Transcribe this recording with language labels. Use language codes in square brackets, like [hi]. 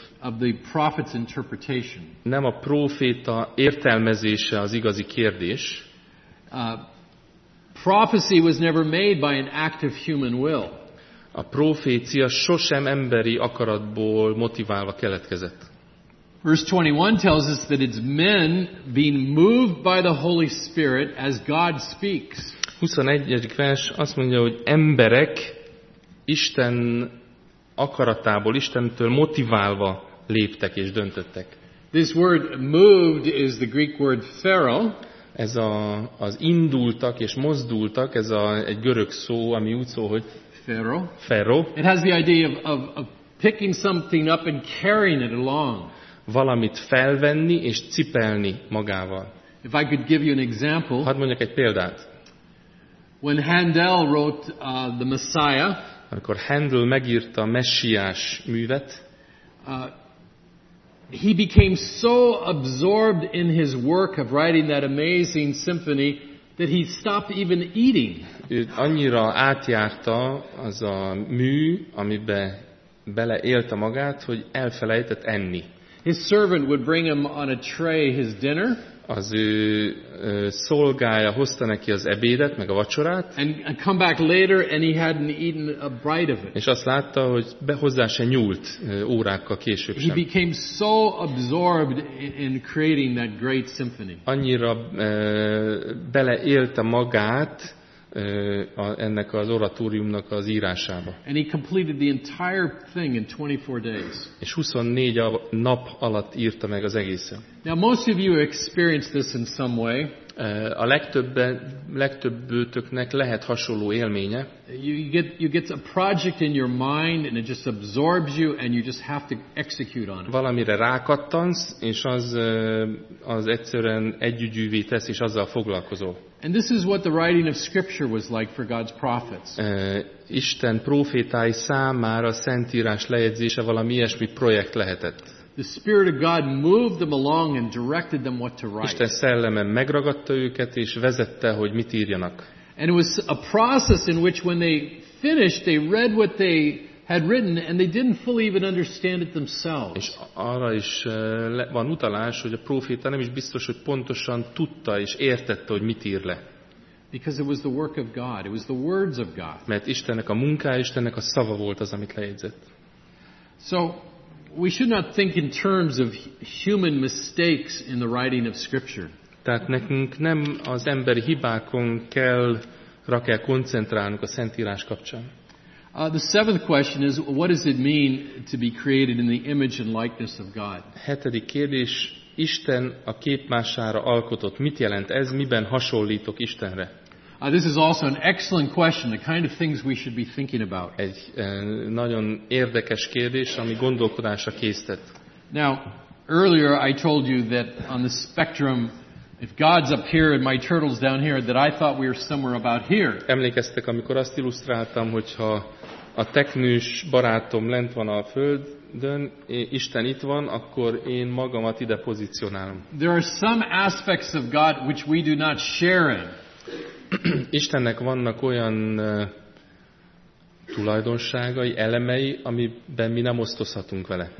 [en] It's not a matter of the prophet's interpretation. [hu] Nem a próféta értelmezése az igazi kérdés. [en] Prophecy was never made by an act of human will. [hu] A profécia sosem emberi akaratból motiválva keletkezett. [en] Verse 21 tells us that it's men being moved by the Holy Spirit as God speaks. [hu] 21. vers azt mondja, hogy emberek Isten akaratából, Istentől motiválva léptek és döntöttek. [en] This word moved is the Greek word phero. [hu] Ez az indultak és mozdultak, ez egy görög szó, ami úgy szól, hogy Ferro. [en] It has the idea of picking something up and carrying it along. [hu] Valamit felvenni és cipelni magával. [en] If I could give you an example. [hu] Hadd mondjak egy példát. [en] When Handel wrote the Messiah. [hu] Amikor Handel megírta a Messiás művet. [en] He became so absorbed in his work of writing that amazing symphony that he stopped even eating. [hu] Őt annyira átjárta az a mű, amiben beleélte magát, hogy elfelejtett enni. [en] His servant would bring him on a tray his dinner. [hu] Az ő szolgája hozta neki az ebédet, meg a vacsorát. [en] And come back later and he hadn't eaten a bite of it. [hu] És azt látta, hogy hozzá se nyúlt órákkal később sem. [en] He became so absorbed in creating that great symphony. [hu] Annyira beleélte magát ennek az oratóriumnak az írásába. [en] And he completed the entire thing in 24 days. [hu] És 24 nap alatt írta meg az egészet. [en] Now most of you experienced this in some way. [hu] A legtöbbőtöknek lehet hasonló élménye. [en] You get a project in your mind and it just absorbs you and you just have to execute on it. [hu] Valamire rákattansz és az egyszerűen együgyűvé tesz és azzal foglalkozol. [en] And this is what the writing of Scripture was like for God's prophets. [hu] Isten prófétái számára a Szentírás lejegyzése valami ilyesmi projekt lehetett. [en] The Spirit of God moved them along and directed them what to write. [hu] Isten szelleme megragadta őket és vezette, hogy mit írjanak. [en] And it was a process in which when they finished, they read what they had written and they didn't fully even understand it themselves. [hu] És arra is van utalás, hogy a próféta nem is biztos, hogy pontosan tudta és értette, hogy mit ír le. [en] Because it was the work of God, it was the words of God. [hu] Mert Istennek a munkája, Istennek a szava volt az, amit lejegyzett. [en] So we should not think in terms of human mistakes in the writing of Scripture. [hu] Tehát nekünk nem az emberi hibákon kell koncentrálnunk a Szentírás kapcsán. [en] The seventh question is, what does it mean to be created in the image and likeness of God? [hu] Hetedik kérdés, Isten a képmására alkotott. Mit jelent ez? Miben hasonlítok Istenre? [en] This is also an excellent question, the kind of things we should be thinking about. [hu] Egy nagyon érdekes kérdés, ami gondolkodásra késztet. [en] Now, earlier I told you that on the spectrum, if God's up here and my turtle's down here, that I thought we were somewhere about here. [hu] Emlékeztek, amikor azt illusztráltam, hogyha a teknős barátom lent van a földön, Isten itt van, akkor én magamat ide pozícionálom. [en] There are some aspects of God which we do not share in. [hu] Istennek vannak olyan tulajdonságai, elemei, amiben mi nem osztozhatunk vele.